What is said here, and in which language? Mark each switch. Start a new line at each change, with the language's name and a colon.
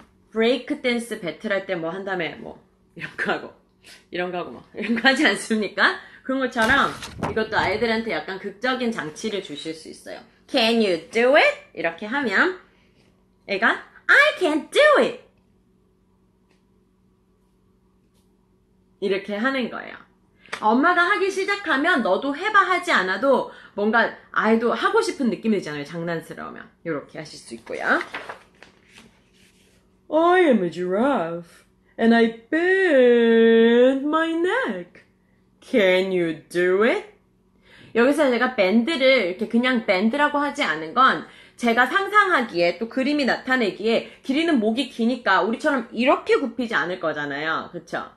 Korean: 브레이크 댄스 배틀할 때뭐한 다음에 뭐 이런 거 하고 이런 거 하고 막 이런 거 하지 않습니까? 그런 것처럼 이것도 아이들한테 약간 극적인 장치를 주실 수 있어요.
English: Can you do it?
Korean: 이렇게 하면 애가
English: I can't do it!
Korean: 이렇게 하는 거예요. 엄마가 하기 시작하면 너도 해봐 하지 않아도 뭔가 아이도 하고 싶은 느낌이 있잖아요. 장난스러우면. 이렇게 하실 수 있고요.
English: I am a giraffe and I bend my neck. Can you do it?
Korean: 여기서 제가 밴드를 이렇게 그냥 밴드라고 하지 않은 건 제가 상상하기에 또 그림이 나타내기에 길이는 목이 기니까 우리처럼 이렇게 굽히지 않을 거잖아요. 그쵸?